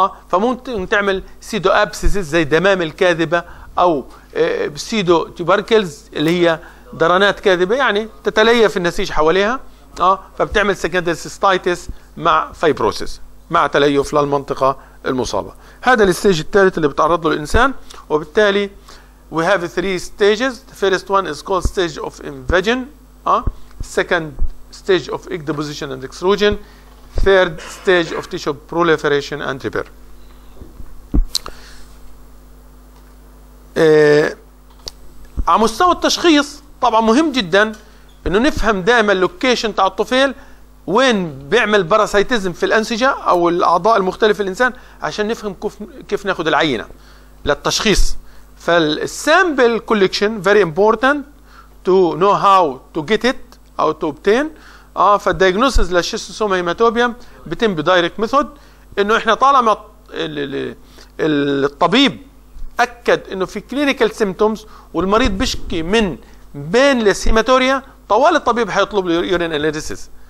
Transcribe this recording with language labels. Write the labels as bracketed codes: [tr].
[ar] فممكن تعمل سيدو أبسيس زي دمام الكاذبة، أو سيدو تيبركلز اللي هي درانات كاذبة، يعني تتليف النسيج حواليها. فبتعمل سكندري سيستايتس مع فيبروسيس، مع تليف للمنطقة المصابة. هذا الستيج الثالث اللي بتعرض له الإنسان. وبالتالي [en] we have three stages. The first one is called stage of invasion. Second stage of egg deposition and extrusion. Third stage of tissue proliferation and repair. [ar] على مستوى التشخيص طبعا مهم جدا انه نفهم دائما اللوكيشن تاع الطفيل، وين بيعمل باراسايتيزم في الانسجة او الاعضاء المختلفة للانسان، عشان نفهم كيف ناخذ العينة للتشخيص. فالسامبل كوليكشن [en] very important to know how to get it or to obtain. [ar] فالدياجنوسيس للشيستوسوما هيماتوبيوم بتم بدايركت ميثود، انه احنا طالما الطبيب اكد انه في كلينيكال سيمتومز والمريض بيشكي من بينلس هيماتوريا، طوال الطبيب حيطلب له يورين اناليسيس.